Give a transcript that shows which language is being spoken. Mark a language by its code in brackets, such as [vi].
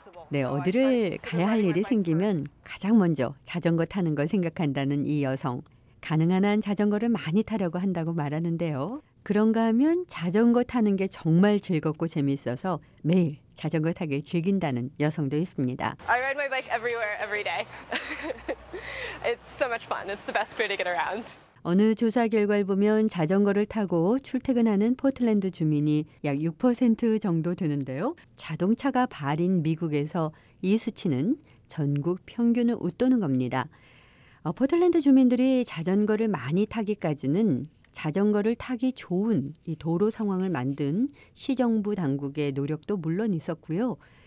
[ko] 네, 어디를 가야 할 일이 생기면 가장 먼저 자전거 타는 걸 생각한다는 이 여성. 가능한 한 자전거를 많이 타려고 한다고 말하는데요. 그런가 하면 자전거 타는 게 정말 즐겁고 재미있어서 매일 자전거 타길 즐긴다는 여성도 있습니다. [en] I ride my bike everywhere every day. It's so much fun. It's the best way to get around. [ko] 어느 조사 결과를 보면 자전거를 타고 출퇴근하는 포틀랜드 주민이 약 6% 정도 되는데요. 자동차가 발인 미국에서 이 수치는 전국 평균을 웃도는 겁니다. 포틀랜드 주민들이 자전거를 많이 타기까지는 자전거를 타기 좋은 이 도로 상황을 만든 시정부 당국의 노력도 물론 있었고요.